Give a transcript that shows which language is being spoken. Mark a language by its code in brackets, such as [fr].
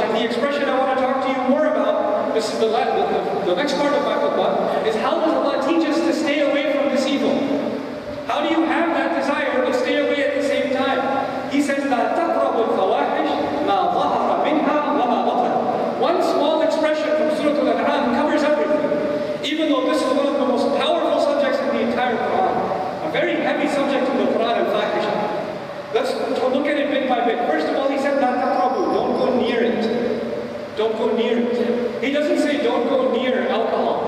[en] And the expression I want to talk to you more about, this is the next part of my khutbah, is how does Allah teach us to stay away from this evil? How do you have that desire to stay away at the same time? He says, [ar] لا تقربوا الفواحش ما ظهر منها وما بطن. [en] One small expression from Surah Al-An'am covers everything. Even though this is one of the most powerful subjects in the entire Quran, a very heavy subject in the Quran, in fact. Let's look at it bit by bit. First of all, he said, [ar] لا تقربوا, [en] don't go near it. Don't go near it. He doesn't say don't go near alcohol.